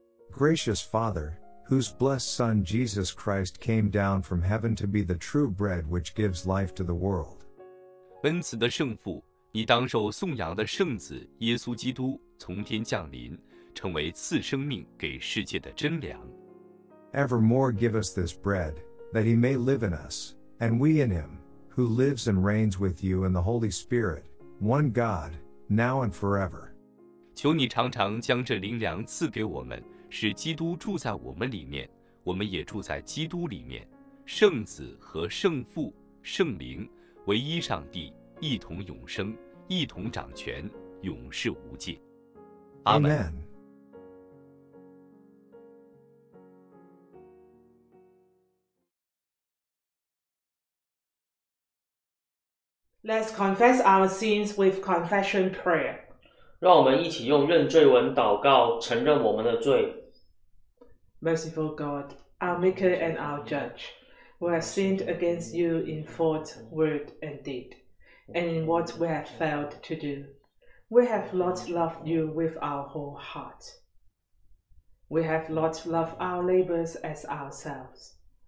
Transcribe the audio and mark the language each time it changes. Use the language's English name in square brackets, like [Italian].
[English] Gracious Father, whose blessed Son Jesus Christ came down from heaven to be the true bread which gives life to the world. [Chinese] 恩慈的圣父, 你当受颂扬的圣子耶稣基督从天降临，成为赐生命给世界的真粮。 [English] Evermore give us this bread, that he may live in us, and we in him, who lives and reigns with you in the Holy Spirit, one God, now and forever. [Chinese] 求你常常将这灵粮赐给我们，使基督住在我们里面，我们也住在基督里面，圣子和圣父、圣灵，唯一上帝，一同永生，一同掌权，永世无尽。阿们。 [English] Amen. Let's confess our sins with confession prayer. [Chinese] 让我们一起用认罪文祷告，承认我们的罪。 [English] Merciful God, our Maker and our Judge, we have sinned against you in thought, word, and deed, and in what we have failed to do. We have not loved you with our whole heart. We have not loved our neighbors as ourselves.